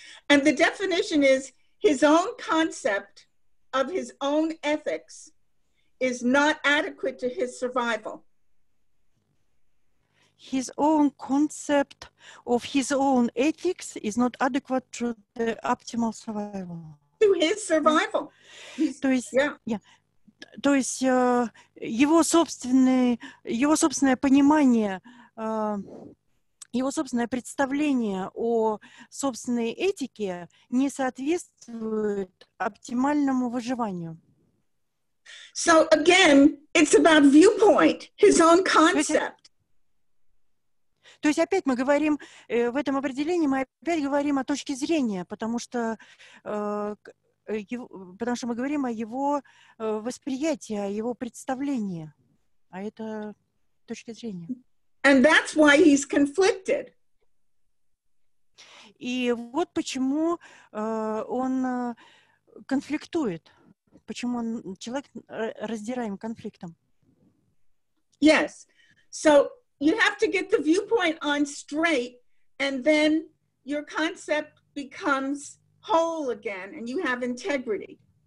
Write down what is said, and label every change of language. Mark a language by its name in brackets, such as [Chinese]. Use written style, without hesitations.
[English] And the definition is his own concept of his own ethics is not adequate to his survival. His own concept of his own ethics is not adequate to the optimal survival. To his survival. [Russian] То есть, то есть его собственное понимание, его собственное представление о собственной этике не соответствует оптимальному выживанию. [English] So again, it's about viewpoint, his own concept. [Russian] То есть опять мы говорим в этом определении, мы опять говорим о точке зрения, потому что мы говорим о его восприятии, о его представлении. А это точка зрения. [English] And that's why he's conflicted. [Russian] И вот почему он конфликтует. Почему он, человек раздираем конфликтом. [English] Yes. So you have to get the viewpoint on straight, and then your concept becomes whole again, and you have integrity.